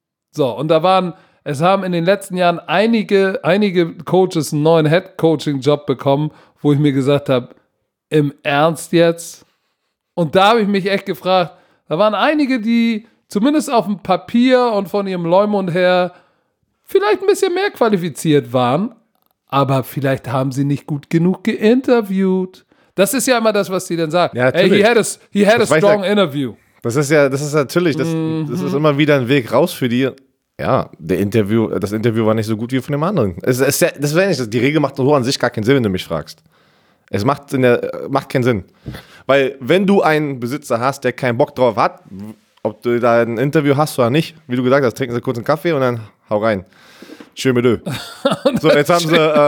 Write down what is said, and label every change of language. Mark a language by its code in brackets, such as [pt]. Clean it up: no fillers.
[de] So, und da waren, es haben in den letzten Jahren einige Coaches einen neuen Head-Coaching-Job bekommen, wo ich mir gesagt habe, im Ernst jetzt? Und da habe ich mich echt gefragt, da waren einige, die zumindest auf dem Papier und von ihrem Leumund her vielleicht ein bisschen mehr qualifiziert waren, aber vielleicht haben sie nicht gut genug geinterviewt. Das ist ja immer das, was sie dann sagen. Ja, hey, [en] he had a strong interview. [de] Das ist natürlich, das ist immer wieder ein Weg raus für die. Ja, das Interview war nicht so gut wie von dem anderen. Die Regel macht so an sich gar keinen Sinn, wenn du mich fragst. Es macht, in der, macht keinen Sinn. Weil wenn du einen Besitzer hast, der keinen Bock drauf hat, ob du da ein Interview hast oder nicht, wie du gesagt hast, trinken sie kurz einen Kaffee und dann hau rein. Schön mit Ö. So, jetzt haben sie.